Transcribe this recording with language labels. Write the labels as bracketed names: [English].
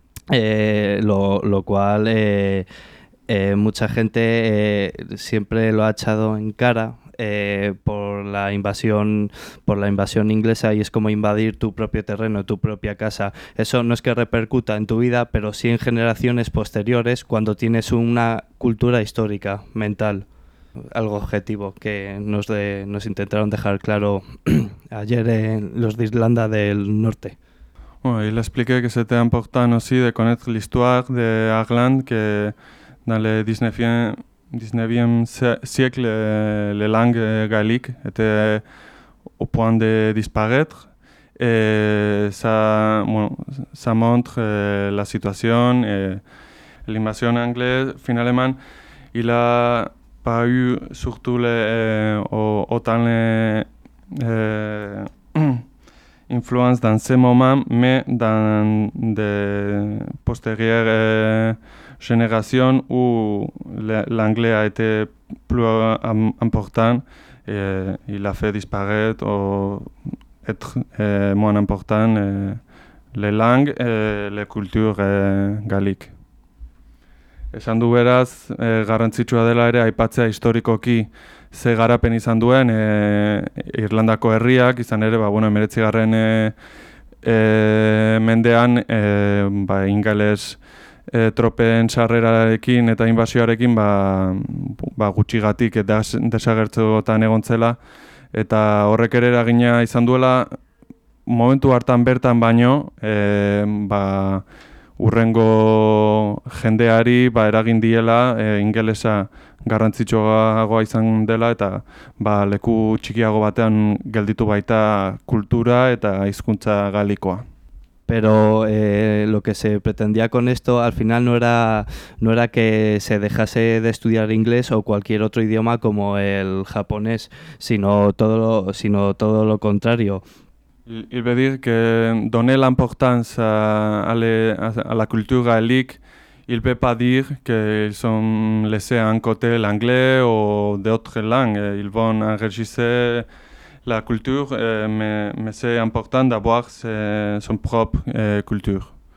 [Spanish] Lo cual mucha gente siempre lo ha echado en cara por la invasión inglesa, y es como invadir tu propio terreno, tu propia casa. Eso no es que repercuta en tu vida, pero sí en generaciones posteriores cuando tienes una cultura histórica mental, algo objetivo que nos intentaron dejar claro ayer los de Irlanda del Norte. [French] Bon, il expliquait que c'était important aussi de connaître l'histoire d'Irlande, que dans le 19e siècle, les langues gaéliques étaient au point de disparaître. ça, [Spanish] bueno, [French] ça montre la situation. L'invasion anglaise, finalement, il n'a pas eu surtout autant d'influence dans ce moment, mais dans des postérieures générations où l'anglais a été plus important. Et il a fait disparaître ou être moins important les langues et les cultures galliques. [Basque] Esan du beraz, garrantzitsua dela ere aipatzea historikoki ze garapen izan duen Irlandako herriak, izan ere, ba, bueno, 19. Mendean ba, ingeles tropen sarrerarekin eta inbasioarekin ba, ba, gutxigatik eta desagertzotan egon zela, eta horrek ere eragina izan duela momentu hartan bertan baino ba, urrengo jendeari ba, eragin diela ingelesa garrantzitsuagoa izan dela, eta ba, leku txikiago batean gelditu baita kultura eta hizkuntza galikoa. [Spanish] Pero lo que se pretendía con esto al final no era que se dejase de estudiar inglés o cualquier otro idioma como el japonés, sino todo lo contrario. [French] Il veut dire que donner l'importance à la culture gaélique, il ne veut pas dire qu'ils ont laissé à un côté l'anglais ou d'autres langues. Ils vont enrichir la culture, mais c'est important d'avoir son propre culture.